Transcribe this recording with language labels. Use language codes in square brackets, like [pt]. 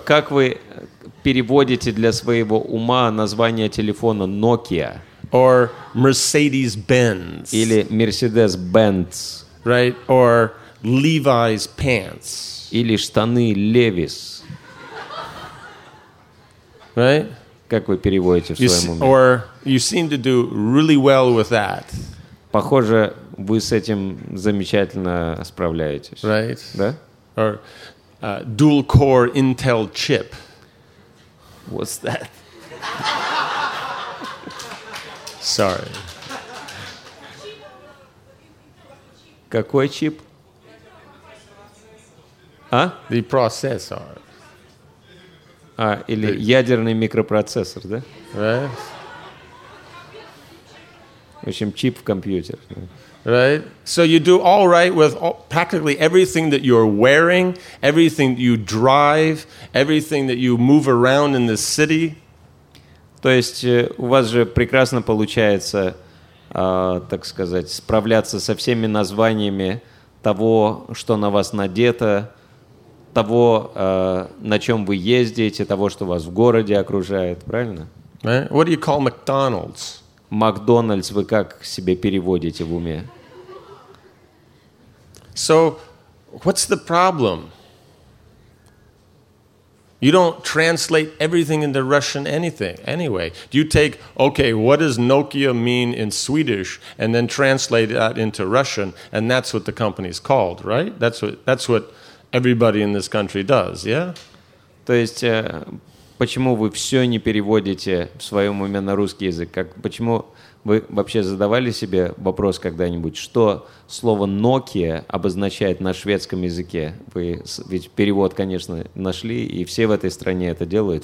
[ru] Как вы переводите для своего ума название телефона Nokia? [en] Or Mercedes-Benz. [ru] Или Mercedes-Benz. [en] Right. Or Levi's pants. [ru] Или штаны Левис. [en] Right? [ru] Как вы переводите в своем уме? [en] Or you seem to do really well with that. [ru] Похоже, вы с этим замечательно справляетесь. [en] Right? [ru] Да? [en] Or dual core Intel chip. What's that? Sorry. [ru] Какой чип? А? [en] The processor. [ru] А, или ядерный микропроцессор, да? [en] Right. [ru] В общем, чип в компьютер. [en] Right. So you do all right with all, practically everything that you're wearing, everything that you drive, everything that you move around in the city. [ru] То есть у вас же прекрасно получается, так сказать, справляться со всеми названиями того, что на вас надето, того, на чем вы ездите, того, что вас в городе окружает, правильно? [en] Right. What do you call McDonald's? [ru] Макдональдс вы как себе переводите в уме? [en] So, What's the problem? You don't translate everything into Russian anything anyway. Do you take, okay, what does Nokia mean in Swedish and then translate that into Russian, and that's what the company's called, right? That's what everybody in this country does, yeah? [ru] То есть, почему вы все не переводите в своем уме на русский язык? Как, почему вы вообще задавали себе вопрос когда-нибудь, что слово Nokia обозначает на шведском языке? Вы ведь перевод, конечно, нашли, и все в этой стране это делают.